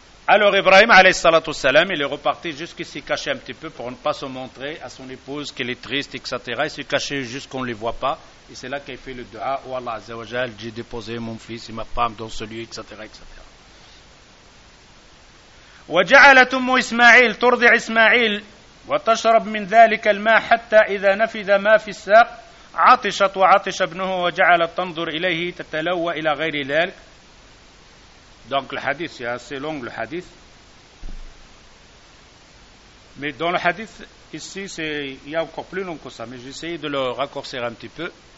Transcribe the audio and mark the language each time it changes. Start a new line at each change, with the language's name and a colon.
French: Alors Ibrahim, alayhi salatu salam, il est reparti jusqu'ici, caché un petit peu pour ne pas se montrer à son épouse qu'il est triste, etc. Il s'est caché jusqu'on ne les voit pas. Et c'est là qu'il fait le dua, oh Allah azza wa jal, j'ai déposé mon fils et ma femme dans ce lieu, etc. etc.
Arabic: وجعلت أم إسماعيل ترضع إسماعيل وتشرب من ذلك الماء حتى إذا نفذ ما في الساق عطشت وعطش ابنه وجعلت تنظر إليه تتلوى إلى غير ذلك.
French: Donc le hadith, c'est assez long le hadith. Mais dans le hadith ici, c'est, il y a encore plus long que ça, mais j'essaie de le raccourcir un petit peu.